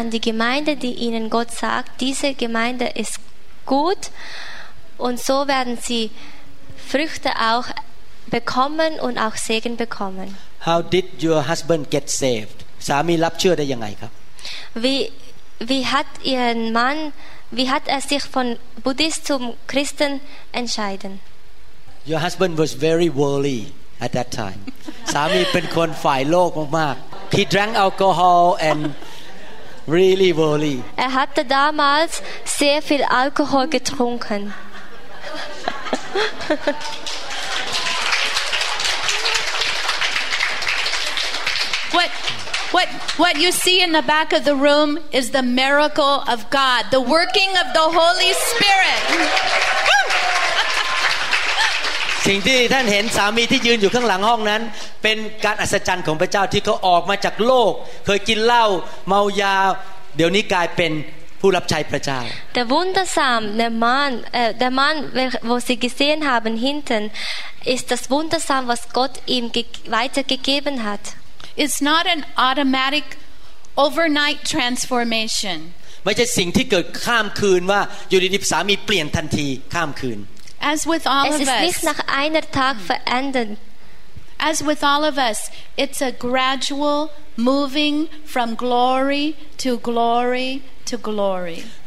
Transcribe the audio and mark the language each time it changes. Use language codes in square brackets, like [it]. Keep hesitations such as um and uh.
[de] Gemeinde, die Ihnen Gott sagt, diese Gemeinde ist gut und so werden Sie Früchte auch bekommen und auch Segen bekommen. [en] How did your husband get saved? [th] สามีรับเชื่อได้ยังไงครับ [de] Wie wie hat ihr Mann, wie hat er sich von Buddhist zum Christen entscheiden? [en] Your husband was very worldly at that time. [th] สามีเป็นคนฝ่ายโลกมาก [en] He drank alcohol and really worldly. [de] Er hatte damals sehr viel Alkohol getrunken. [en] What what you see in the back of the room is the miracle of God, the working of the Holy Spirit. [th] สิ่งที่ท่านเห็นสามีที่ยืนอยู่ข้างหลังห้องนั้น เป็นการอัศจรรย์ของพระเจ้าที่เขาออกมาจากโลก เคยกินเหล้าเมายาเดี๋ยวนี้กลายเป็นผู้รับใช้พระเจ้า [de] Der wundersam der Mann der Mann wo sie gesehen haben hinten ist das wundersam was Gott ihm weitergegeben hat [en] It's not an automatic overnight transformation. [th] ไม่ใช่สิ่งที่เกิดข้ามคืนว่าอยู่ดีๆสามีเปลี่ยนทันทีข้ามคืน [en] As with all of us. [de] Es ist nicht nach einer Tag verändern. [en] As with all of us, it's a gradual moving from glory to glory to glory.